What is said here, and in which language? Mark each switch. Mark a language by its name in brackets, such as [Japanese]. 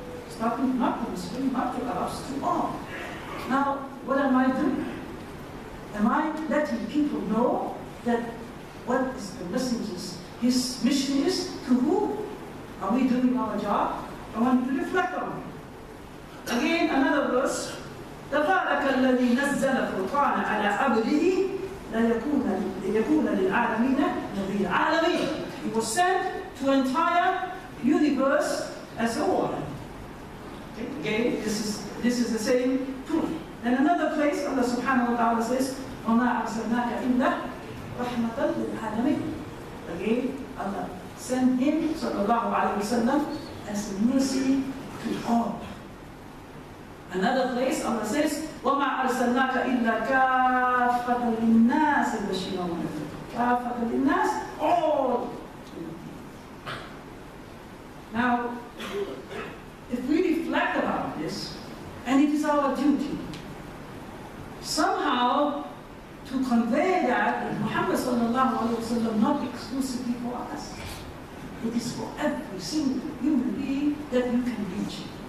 [English] Starting not to Muslim, not to Arabs, to all. Now, what am I doing? Am I letting people know that what is the messenger's, his mission is to who? Are we doing our job? I want you to reflect on it. Again, another verse. [Arabic] تبارك الذي نزل الفرقان على عبده ليكون للعالمين نبيا. عالمين. [English] He was sent to entire universe as a warning. Again, this is the same proof. And another place, Allah subhanahu wa ta'ala says, [Arabic] وما أرسلناك إلا رحمة للعالمين. [English] Again, Allah sent him, sallallahu alayhi wa sallam, as a mercy to all. Another place, Allah says, [Arabic] وَمَا أَرْسَلْنَاكَ إِلَّا كَافَّةَ لِلنَّاسِ بَشِيرًا وَنَذِيرًا. كَافَّةَ لِلنَّاسِ, [English] all. Now, if we reflect about this, and it is our duty, somehow, to convey that Muhammad sallallahu alayhi wa sallam not exclusively for us, it is for every single human being that you can reach.